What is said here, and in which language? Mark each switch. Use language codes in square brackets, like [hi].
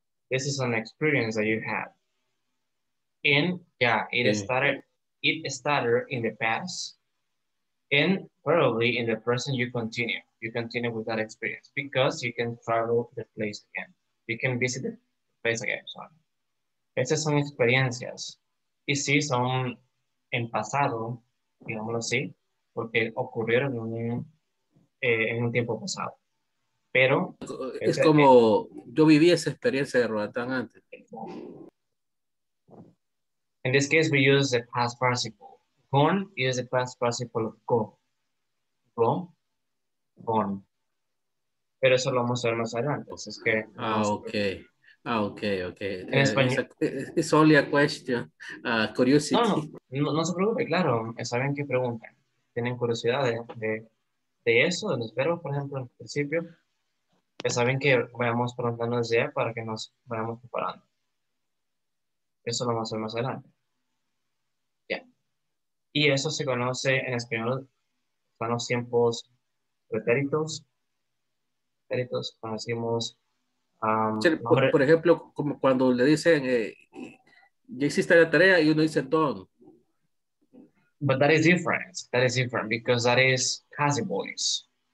[en] This is an experience that you have. It started in the past. And probably in the present, you continue. You continue with that experience because you can travel the place again. You can visit the place again, sorry. [es] Esas son experiencias. Y sí, son en pasado, digámoslo así, porque ocurrieron en un tiempo pasado. Pero... Es como, yo viví esa experiencia de Roatán antes. [en] In this case, we use the past participle. Gone is the past participle of go. Go, gone. [es] Pero eso lo vamos a ver más adelante. Es que, [en] Okay. It's only a question. Curiosity. [es] No se preocupe, claro. Saben que preguntan. Tienen curiosidad de eso, de los verbos, por ejemplo, al principio. Saben que vayamos preguntando desde ya para que nos vayamos preparando. Eso lo vamos a hacer más adelante. Ya. [en] Yeah. [es] Y eso se conoce en español. Son los tiempos pretéritos. Pretéritos, cuando decimos... Por ejemplo, como cuando le dicen ya hiciste la tarea y uno dice don. [en] But that is different. That is different because that is passive voice.